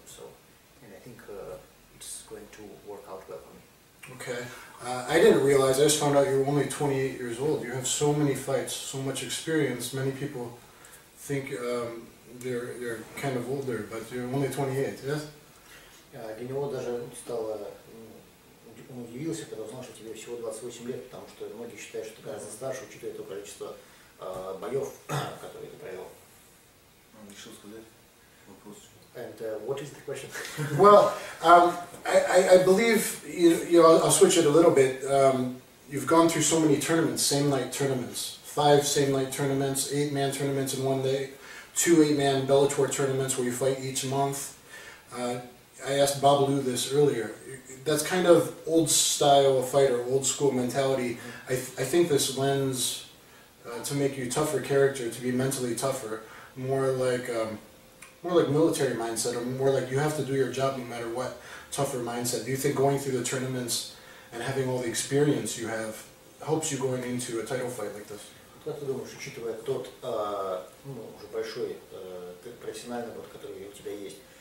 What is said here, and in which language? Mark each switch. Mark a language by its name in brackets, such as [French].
[English] So, and I think it's going to work out well for me. Okay. I didn't realize, I just found out you're only 28 years old. You have so many fights, so much experience. Many people think they're kind of older, but you're only 28, yes? [Russian] Для него даже стало, он удивился, когда узнал, что тебе всего 28 лет, потому что многие считают, что ты гораздо старше, учитывая то количество боев, которые ты провел. Решил сказать вопрос. [English] And what is the question? Well, I believe you know, I'll switch it a little bit. You've gone through so many tournaments, same night tournaments, 5 same night tournaments, 8 man tournaments in one day, 2 8 man Bellator tournaments where you fight each month. I asked Babalu this earlier. That's kind of old style fighter, old school mentality. I think this lends to make you tougher character, to be mentally tougher, more like military mindset, or more like you have to do your job no matter what, tougher mindset. Do you think going through the tournaments and having all the experience you have helps you going into a title fight like this? [Russian] Как ты думаешь, учитывая тот уже большой профессиональный опыт, который у тебя есть?